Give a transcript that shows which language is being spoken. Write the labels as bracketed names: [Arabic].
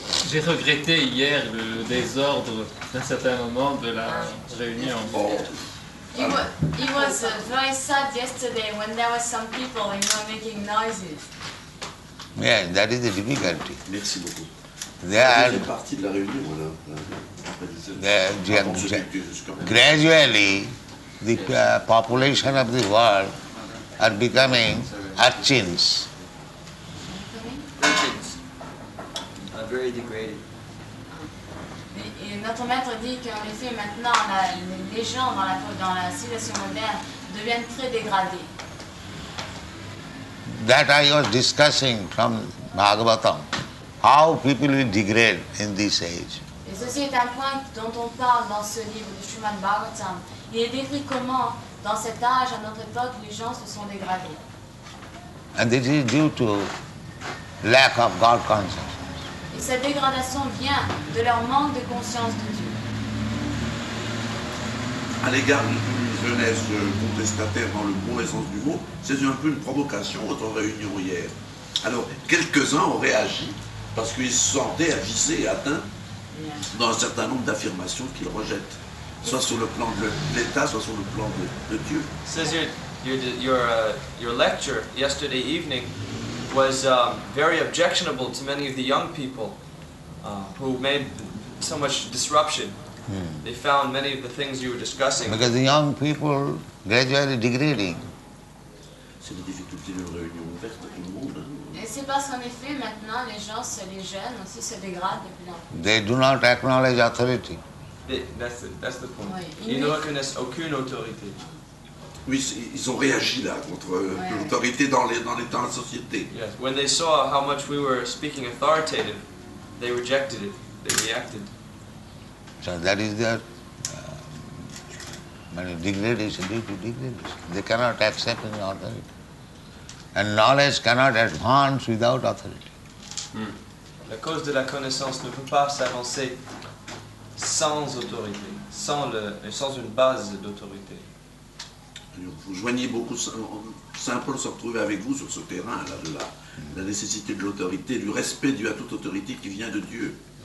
[French] J'ai regretté hier le désordre d'un certain moment de la réunion. [English] It was very sad yesterday when there were some people and were making noises. Yeah, that is the difficulty. [French] Merci beaucoup. [English] Gradually, the population of the world are becoming urchins. [French] Notre maître dit qu'en effet maintenant les gens dans la civilisation moderne deviennent très dégradés. [English] That I was discussing from Bhagavatam, how people will degrade in this age. [French] Et ceci est un point dont on parle dans ce livre de Srimad Bhagavatam. Il est décrit comment dans cet âge, à notre époque, les gens se sont dégradés. [English] And this is due to lack of God consciousness. [French] Cette dégradation vient de leur manque de conscience de Dieu. À l'égard d'une jeunesse contestataire dans le mauvais sens du mot, c'est un peu une provocation votre réunion hier. Alors, quelques-uns ont réagi parce qu'ils se sentaient avisés et atteints dans un certain nombre d'affirmations qu'ils rejettent, soit sur le plan de l'État, soit sur le plan de Dieu. C'est [English] your lecture yesterday evening was very objectionable to many of the young people who made so much disruption. They found many of the things you were discussing. Because the young people gradually degrading. [French] C'est la difficulté de réunion ouverte au monde. Et c'est parce qu'en effet, maintenant, les jeunes aussi se dégradent. [English] They do not acknowledge authority. That's the point. [French] Ils ne reconnaissent aucune autorité. Oui, ils ont réagi là contre l'autorité dans la société. [English] Yes, when they saw how much we were speaking authoritative, they rejected it. They reacted. So that is their degradation, due to degradation. They cannot accept any authority. And knowledge cannot advance without authority. Mm. [French] La cause de la connaissance ne peut pas s'avancer sans autorité, sans une base d'autorité. Vous joignez beaucoup, Saint-Paul se retrouvait avec vous sur ce terrain, là, de là. La nécessité de l'autorité, du respect dû à toute autorité qui vient de Dieu.